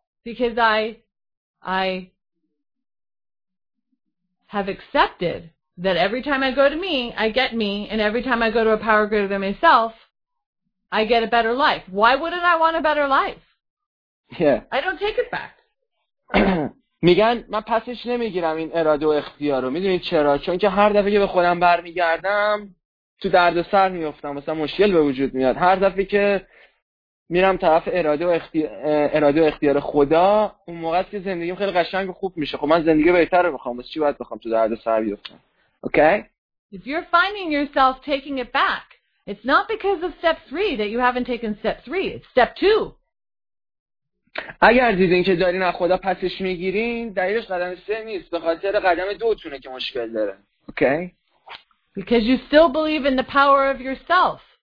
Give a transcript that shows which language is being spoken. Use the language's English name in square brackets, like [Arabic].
[English] Because I have accepted that every time I go to me, I get me, and every time I go to a power greater than myself, I get a better life. Why wouldn't I want a better life? Yeah. I don't take it back. [Persian] میگن من پسش نمیگیرم این اراده و اختیار رو. میدونید چرا؟ چون که هر دفعه که به خودم برمیگردم تو درد سر میفتم، مثلا مشکل به وجود میاد. هر دفعه که میرم طرف اراده و اختیار خدا، اون موقع است که زندگیم خیلی قشنگ و خوب میشه. خب من زندگی بهتر رو بخوام، بس چی باید بخوام تو درد سر بیفتم؟ اوکی؟ [English] If you're finding yourself taking it back, it's not because of step 3 that you haven't taken step 3. It's step 2. [Persian] اگر دیدین که دارین از خدا پسش میگیرین، دلیلش قدم 3 نیست، به خاطر قدم 2 تونه که مشکل داره. [English] Okay? Because you still believe in the power of yourself.